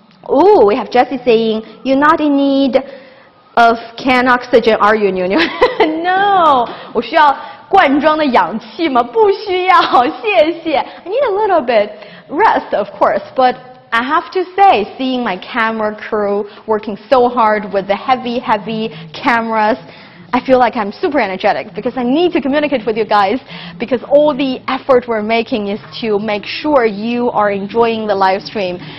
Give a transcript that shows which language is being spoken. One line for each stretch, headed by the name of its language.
English: Ooh, we have Jesse saying, you're not in need of canned oxygen, are you, Niuniu?
Chinese: No, 我需要罐装的氧气吗？不需要，谢谢。
English: I need a little bit rest, of course, but I have to say, seeing my camera crew working so hard with the heavy, heavy cameras, I feel like I'm super energetic because I need to communicate with you guys because all the effort we're making is to make sure you are enjoying the live stream.